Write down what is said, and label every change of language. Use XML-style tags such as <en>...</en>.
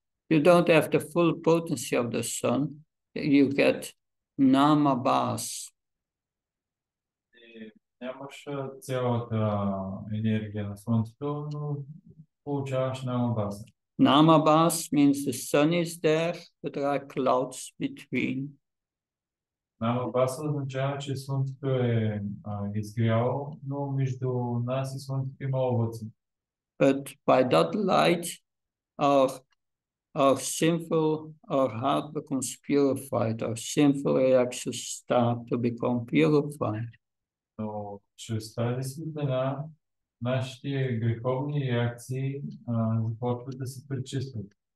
<en>You don't have the full potency of the sun, you get namabas.</en> <bg>Нямаш цялата енергия на слънцето, но получаваш намабас.</bg> <en>Намабас means the sun is there, but there are clouds between.</en> <bg>Намабас означава, че слънцето е изгряло, но между нас и слънцето има облаци.</bg> <en>But by that light, our sinful, our heart becomes purified. Our sinful reactions start to become purified.</en> <bg>Но чрез тази светлина нашите греховни реакции започват да се пречистват.</bg>